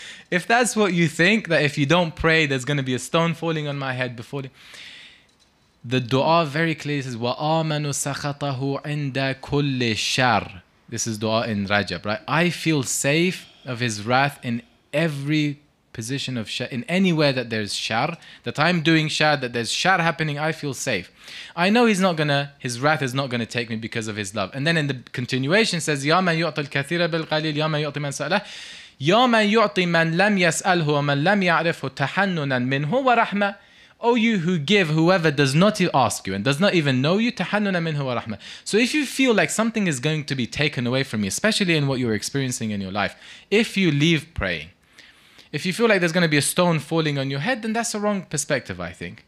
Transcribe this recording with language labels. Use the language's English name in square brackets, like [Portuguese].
[English] If that's what you think, that if you don't pray, there's going to be a stone falling on my head before the dua very clearly says, [Arabic] وَآمَنُ سَخَطَهُ عِنْدَ كُلِّ شَرْ. [English] This is dua in Rajab, right? I feel safe of his wrath in every position of shar, in anywhere that there's shar, that I'm doing shar, that there's shar happening, I feel safe. I know he's not gonna, his wrath is not gonna take me because of his love. [Arabic] And then in the continuation says, يَا مَنْ يُعْطِ الْكَثِيرَ بِالْقَلِيلِ يَا مَنْ يُعْطِ مَنْ سَأَلَهُ يَا مَنْ يُعْطِ مَنْ لَمْ يَسْأَلْهُ وَمَنْ لَمْ يَعْرِفُهُ تَحَنُّنًا مِنْهُ وَرَحْمَةً. [English] O you who give whoever does not ask you and does not even know you, [Arabic] تَحَنُّنًا مِنْهُ وَرَحْمَةً. [English] So if you feel like something is going to be taken away from you, especially in what you're experiencing in your life, if you leave praying, if you feel like there's going to be a stone falling on your head, then that's the wrong perspective, I think.